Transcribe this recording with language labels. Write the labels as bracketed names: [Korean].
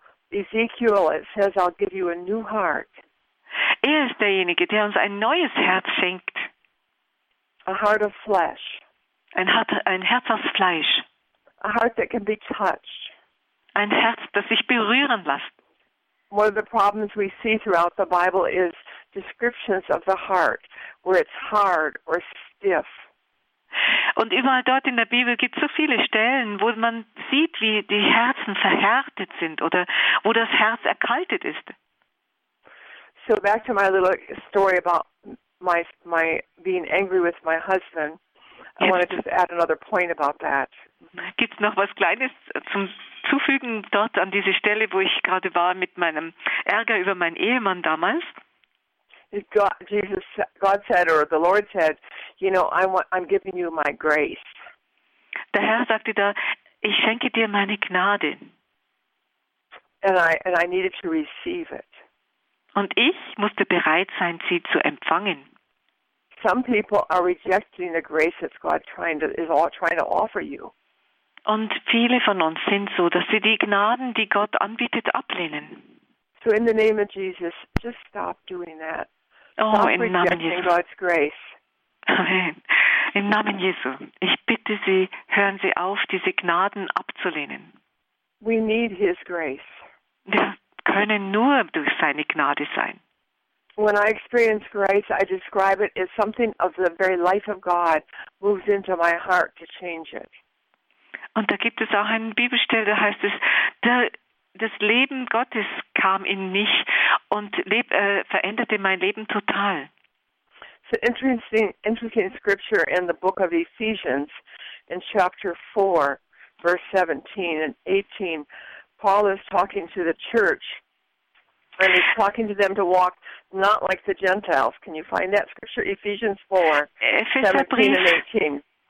[English] Ezekiel, it says, I'll give you a new heart. [German] Er ist derjenige, der uns ein neues Herz schenkt. [English] A heart of flesh. [German] Ein Herz aus Fleisch. [English] A heart that can be touched. [German] Ein Herz, das sich berühren lässt. [English] One of the problems we see throughout the Bible is descriptions of the heart, where it's hard or stiff. [German] Und überall dort in der Bibel gibt es so viele Stellen, wo man sieht, wie die Herzen verhärtet sind oder wo das Herz erkaltet ist. [English] So back to my little story about my being angry with my husband. I want to just add another point about that. [German] Gibt's noch was Kleines zum Zufügen dort an diese Stelle, wo ich gerade war mit meinem Ärger über meinen Ehemann damals? [English] God said, or the Lord said, you know, I'm giving you my grace. [German] Der Herr sagte da, ich schenke dir meine Gnade. [English] And I needed to receive it. [German] Und ich musste bereit sein, sie zu empfangen. [English] Some people are rejecting the grace that God is trying to offer you. [German] Und viele von uns sind so, dass sie die Gnaden, die Gott anbietet, ablehnen. [English] So in the name of Jesus, just stop doing that. Oh, stop [German] im Namen Jesu. [English] God's grace. [German] Amen. Im Namen Jesu. Ich bitte Sie, hören Sie auf, diese Gnaden abzulehnen. [English] We need His grace. [German] Wir können nur durch seine Gnade sein. [English] When I experience grace, I describe it as something of the very life of God moves into my heart to change it. [German] Und da gibt es auch eine Bibelstelle, da heißt es, das Leben Gottes kam in mich und veränderte mein Leben total. [English] So interesting scripture in the book of Ephesians in chapter 4, verse 17 and 18. Paul is talking to the church and he's talking to them to walk not like the Gentiles. Can you find that scripture? Ephesians 4, 17 and 18.